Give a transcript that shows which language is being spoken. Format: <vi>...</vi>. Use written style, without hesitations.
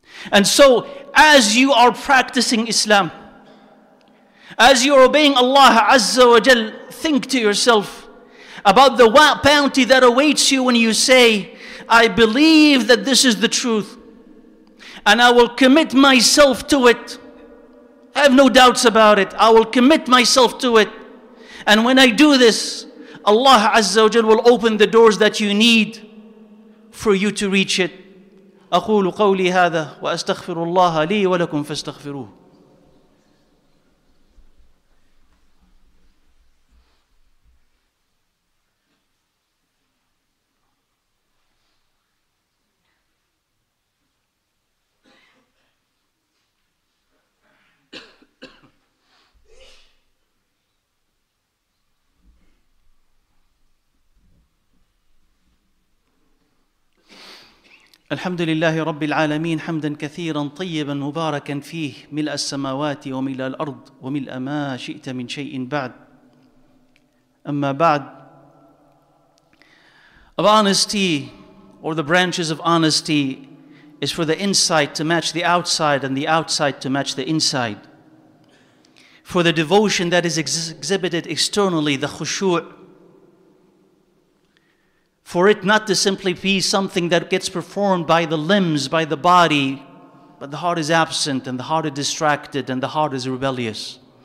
<en>And so, as you are practicing Islam, as you're obeying Allah Azza wa Jal, think to yourself about the bounty that awaits you when you say, I believe that this is the truth. and I will commit myself to it. I have no doubts about it. I will commit myself to it. And when I do this, Allah Azza wa Jal will open the doors that you need for you to reach it.</en> <ar>أقول قولي هذا وأستغفر الله لي ولكم فاستغفروه. الحمد لله رب العالمين حمدا كثيرا طيبا مباركا فيه ملء السماوات وملء الأرض وملء ما شئت من شيء بعد أما بعد.</ar> <en>Of honesty, or the branches of honesty, is for the inside to match the outside and the outside to match the inside. For the devotion that is exhibited externally, the khushu', for it not to simply be something that gets performed by the limbs, by the body, but the heart is absent and the heart is distracted and the heart is rebellious.</en>